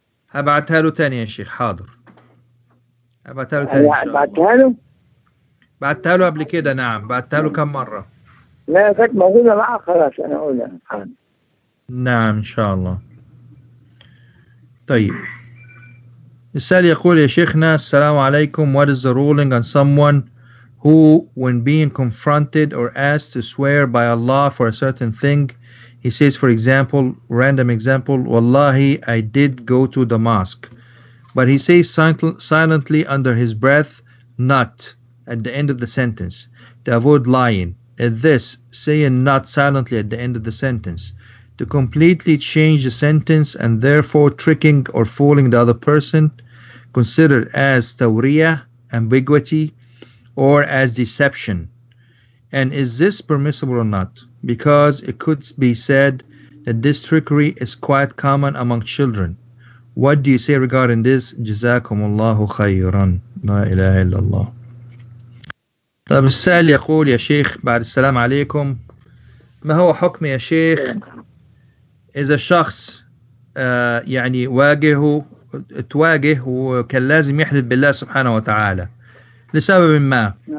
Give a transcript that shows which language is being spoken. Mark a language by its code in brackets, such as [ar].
[ar] هبعتها له تاني يا شيخ. حاضر هبعتها له تاني. بعتها له بعتها له قبل كده. نعم بعتها له كم مرة. لا كانت موجودة معه خلاص انا اقولها. نعم ان شاء الله. طيب السائل يقول يا شيخنا السلام عليكم. [en] What is the ruling on someone who when being confronted or asked to swear by Allah for a certain thing he says for example random example wallahi I did go to the mosque but he says silently under his breath not at the end of the sentence to avoid lying. Is this saying not silently at the end of the sentence to completely change the sentence and therefore tricking or fooling the other person considered as tawriya, ambiguity, or as deception? And is this permissible or not? Because it could be said that this trickery is quite common among children. What do you say regarding this? [ar] جزاكم الله خيراً. لا إله إلا الله. طيب السائل يقول يا شيخ بعد السلام عليكم ما هو حكم يا شيخ إذا شخص يعني تواجه وكان لازم يحلف بالله سبحانه وتعالى لسبب ما